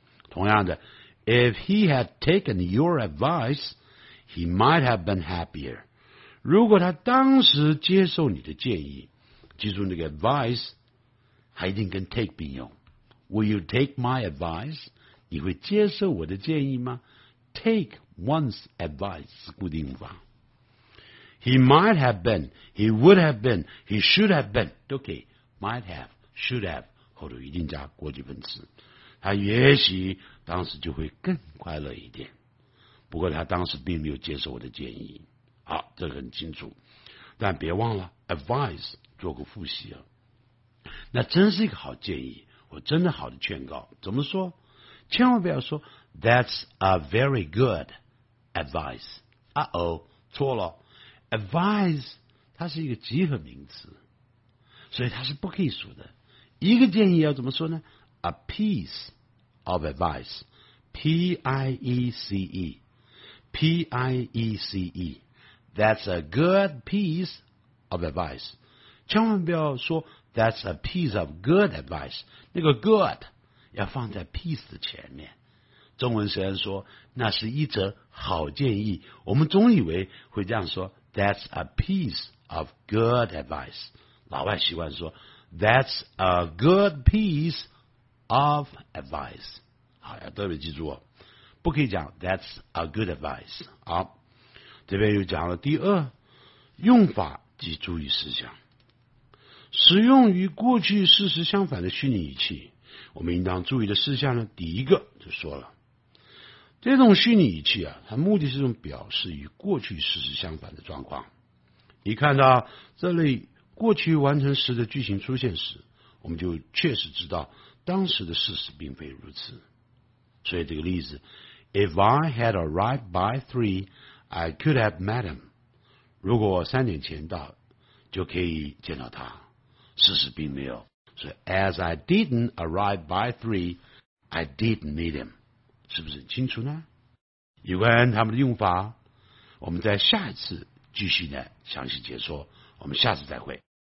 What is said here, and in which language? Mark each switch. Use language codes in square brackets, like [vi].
[zh] 同样的， [en] If he had taken your advice, he might have been happier. [zh] 如果他当时接受你的建议，记住那个 advice 还一定跟 take 并用。 [en] Will you take my advice? [zh] 你会接受我的建议吗？ [en] Take one's advice [zh] 是固定法。 [en] He might have been, [zh] he would have been, he should have been 都可以， might have, should have 后头一定加过去分词，他也许当时就会更快乐一点，不过他当时并没有接受我的建议。好，这个很清楚，但别忘了 advice 做个复习了，那真是一个好建议，我真的好的劝告。怎么说？千万不要说 [en] That's a very good advice. [zh] 啊哦，错了。 Advice 它是一个集合名词，所以它是不可以数的。一个建议要怎么说呢？ [en] A piece of advice. P-I-E-C-E. P-I-E-C-E. That's a good piece of advice. [zh] 千万不要说 [en] That's a piece of good advice. [zh] 那个 good要放在 peace 的前面。中文虽然说那是一则好建议，我们总以为会这样说 [en] That's a piece of good advice， [zh] 老外习惯说 [en] That's a good piece of advice。 [zh] 好，要特别记住哦，不可以讲 [en] That's a good advice。 [zh] 好，这边又讲了第二用法及注意事项，使用于过去事实相反的虚拟语气，我们应当注意的事项呢，第一个就说了，这种虚拟语气啊，它目的是用表示与过去事实相反的状况。一看到这类过去完成时的句型出现时，我们就确实知道当时的事实并非如此。所以这个例子 [en] If I had arrived by 3 I could have met him， [zh] 如果我三点前到就可以见到他，事实并没有。 [en] So, as I didn't arrive by 3, I didn't meet him. [zh] 是不是清楚呢？有关他们的用法，我们在下一次继续呢详细解说。我们下次再会。